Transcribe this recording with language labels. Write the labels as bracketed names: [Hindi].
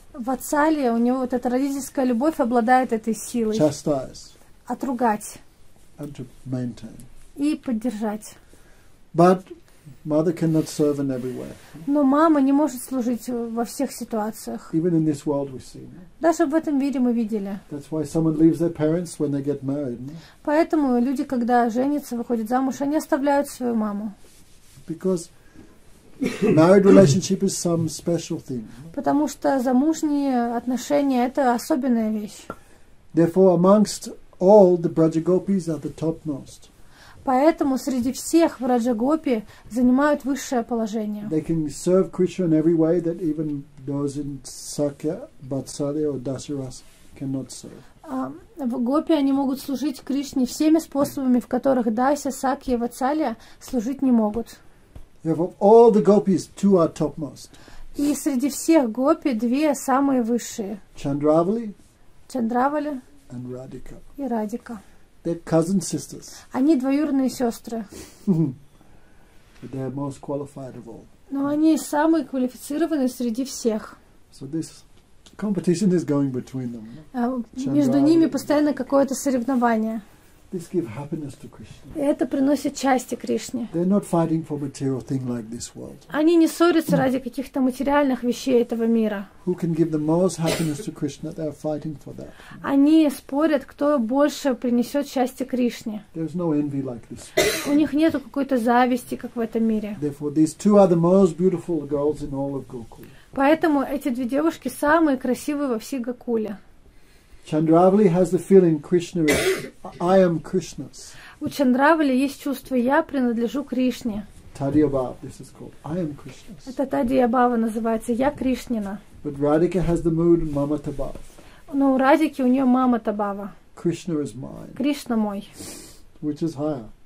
[Russian] Vatsali, у него вот эта родительская любовь обладает этой силой. [English] Chastise. [Russian] Отругать. [English] And to maintain. [Russian] И поддержать. [English] But Mother cannot serve in everywhere. [Russian] Но мама не может служить во всех ситуациях. [English] Even in this world we see. [Russian] Даже в этом мире мы видели. [English] That's why someone leaves their parents when they get married. [Russian] Поэтому люди, когда женятся, выходят замуж, они оставляют свою маму. [English] Because married relationship is some special thing. [Russian] Потому что замужние отношения — это особенная вещь. [English] Therefore, amongst all the Braja Gopis are the topmost. [Russian] Поэтому среди всех враджа-гопи занимают высшее положение. [English] They can serve Krishna in every way that even those in Sakya, Batsari or Dasaras cannot serve. [Russian] В гопи они могут служить Кришне всеми способами, в которых Дася, Сакья, Ватсалья служить не могут. [English] Of all the gopis, two are topmost. [Russian] И среди всех гопи две самые высшие. [English] Chandravali. [Russian] Chandravali. [English] And Radhika. [Russian] И Радика. [English] They're cousin sisters. [Russian] Они двоюродные сестры. [English] But they're most qualified of all. [Russian] Но они самые квалифицированные среди всех. [English] So this competition is going between them. [Russian] Между ними постоянно какое-то соревнование. [English] This gives happiness to Krishna. [Russian] Это приносит счастье Кришне. [English] They're not fighting for material thing like this world. [Russian] Они не ссорятся ради каких-то материальных вещей этого мира. [English] Who can give the most happiness to Krishna? They're fighting for that. [Russian] Они спорят, кто больше принесет счастье Кришне. [English] There's no envy like this. [Russian] У них нету какой-то зависти, как в этом мире. [English] Therefore, these two are the most beautiful girls in all of Gokul. [Russian] Поэтому эти две девушки самые красивые во всей Гокуле. [English] Chandravali has the feeling Krishna is, I am Krishna's. [Russian] У Чандравали есть чувство «я принадлежу Кришне». [English] Tadiyabhava, this is called I am Krishna's. [Russian] Это Тадиябава называется «я Кришнина». [English] But Radhika has the mood Mamatabhava. [Russian] Но у Радики у нее Мамата-бхава. [English] Krishna is mine. [Russian] Кришна мой. [English] Which is higher?